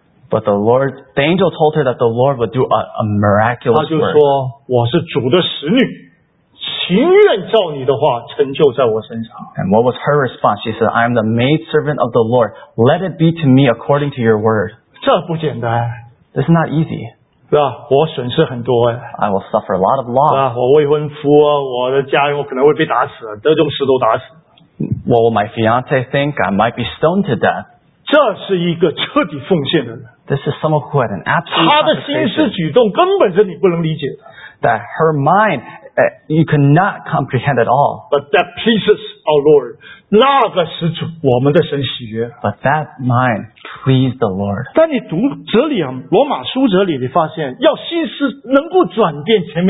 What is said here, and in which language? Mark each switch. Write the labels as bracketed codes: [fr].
[en] But the angel told her that the Lord would do a miraculous work. [zh] 我是主的使女, 情愿照你的话, [en] and what was her response? She said, I am the maidservant of the Lord. Let it be to me according to your word. [zh] 这不简单, [en] this is not easy. [zh] 是吧, 我损失很多欸, [en] I will suffer a lot of loss. [zh] 是吧, 我未婚夫啊, 我的家人, 我可能会被打死, 得中石头打死。 [en] What will my fiance think? I might be stoned to death. [zh] 这是一个彻底奉献的人。 [en] This is someone who had an absolute consecration. That her mind, you cannot comprehend at all. But that pleases our Lord. [zh] 那个始祖, 我们的神喜悦, [en] but that mind pleased the Lord. [zh] 但你读哲理, 罗马书哲理, 你发现, 要心思能够转变,